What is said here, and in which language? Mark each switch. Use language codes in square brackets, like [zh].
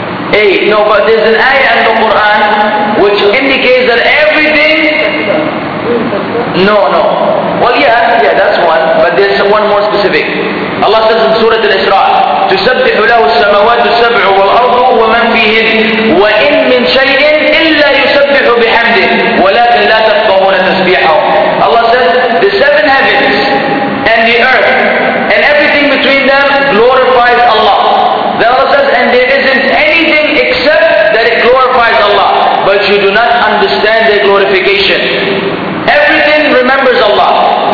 [en] Hey, no, but there's an ayah in the Quran which indicates that everything. No, no. Well, yeah, that's one. But there's one more specific. Allah says in Surah Al-Isra, [ar] تُسَبِّحُ لَهُ السَّمَوَاتُ السَّبْعُ وَالْأَرْضُ وَمَنْ فِيهِنَّ وَإِنْ مِنْ شَيْءٍ إِلَّا يُسَبِّحُ بِحَمْدِهِ وَلَكِنْ لَا تَفْقَهُونَ تَسْبِيحَهُ. [en] Allah says, the seven heavens and the earth and everything between them glorifies Allah. Then Allah says, and there isn't anything except that it glorifies Allah. But you do not understand their glorification. Everything remembers Allah.